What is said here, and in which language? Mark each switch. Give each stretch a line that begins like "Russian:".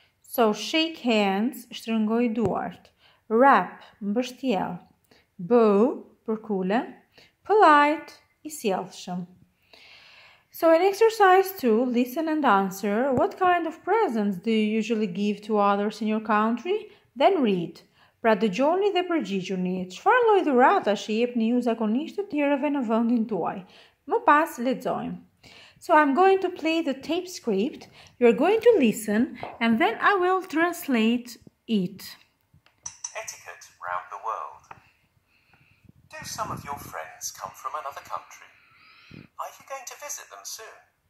English: So shake hands,
Albanian: strungoi duart.
English: Wrap,
Albanian: mbështjell.
English: Bow,
Albanian: përkullë.
English: Polite,
Albanian: I sjellshëm.
English: So in exercise two, listen and answer. What kind of presents do you usually give to others in your country? Then read.
Albanian: Pra dëgjoni dhe përgjigjuni. Çfarë lloj dhuratash I jepni ju zakonisht të tjerëve në vendin tuaj? Më pas lexojmë.
English: So I'm going to play the tape script. You're going to listen and then I will translate it. Etiquette round the world. Do some of your friends come from another country? Are you going to visit them soon?